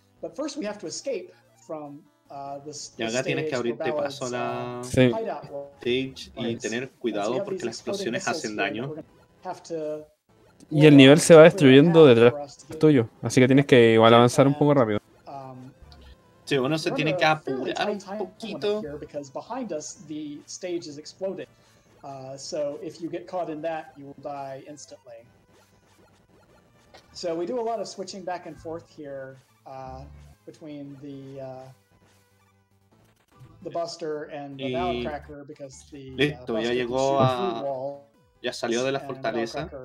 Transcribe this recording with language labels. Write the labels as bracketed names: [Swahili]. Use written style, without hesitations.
[English] But first we have to escape from this [Spanish] stage y tener cuidado porque las explosiones hacen daño. Y el nivel se va destruyendo detrás tuyo, así que tienes que igual avanzar un poco rápido. Sí, uno se tiene que apurar un poquito. [English] Because behind us the stage is exploding. So if you get caught in that, you will die instantly. So we do a lot of switching back and forth here between the Buster and the Ballad Cracker because the [Spanish] listo, ya llegó a ya salió de la fortaleza.